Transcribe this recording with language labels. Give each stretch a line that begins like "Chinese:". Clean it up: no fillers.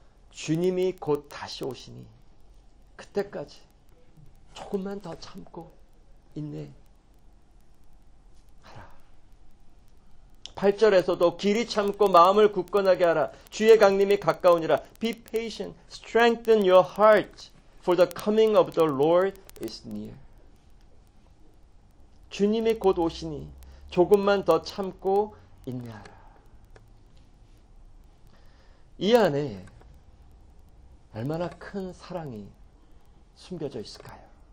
Korean: 주님이 곧 다시 오시니 그때까지 조금만 더 참고 인내하라. 8절에서도 길이 참고 마음을 굳건하게 하라. 주의 강림이 가까우니라.
English: Be patient, strengthen your heart, for the coming of the Lord is near.
Korean: 주님이 곧 오시니 조금만 더 참고 인내하라. 이 안에 얼마나 큰 사랑이 숨겨져 있을까요?